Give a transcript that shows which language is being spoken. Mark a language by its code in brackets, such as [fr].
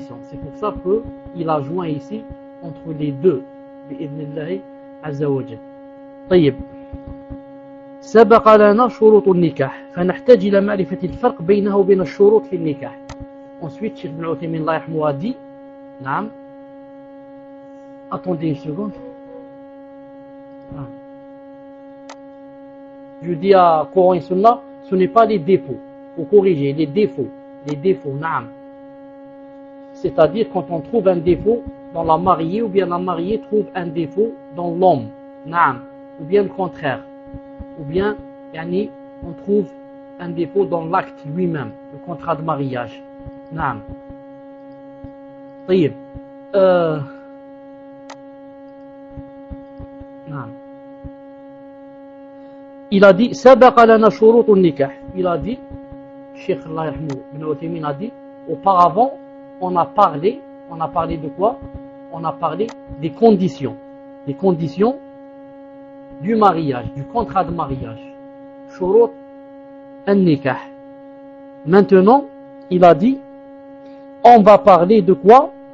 [fr] C'est pour ça que il a joint ici entre les deux. [ar] Bi'idhnillahi azza wa jalla. [fr] Tayyib. [ar] سبق لنا شروط النكاح، فنحتاج إلى معرفة الفرق بينه وبين الشروط في النكاح. [fr] Ensuite, Cheikh Ibn Uthaymeen [ar] الله يرحمه [fr] a dit, نعم. Attendez une seconde. Je dis à Coran et Sunna, ce n'est pas les défauts. Il faut corriger les défauts. Les défauts, نعم. C'est-à-dire quand on trouve un défaut dans la mariée ou bien la mariée trouve un défaut dans l'homme, نعم. Ou bien le contraire. Ou bien, yani, on trouve un défaut dans l'acte lui-même, le contrat de mariage. [ar] نعم. طيب. نعم. [fr] Il a dit, [ar] سبق لنا شروط النكاح. [fr] Il a dit, Cheikh [ar] الله يرحمه [fr] ابن عثيمين a dit, auparavant, on a parlé de quoi? On a parlé des conditions. Des conditions du mariage, du contrat de mariage. [ar] شروط النكاح. [fr] Maintenant, il a dit, on va parler de quoi?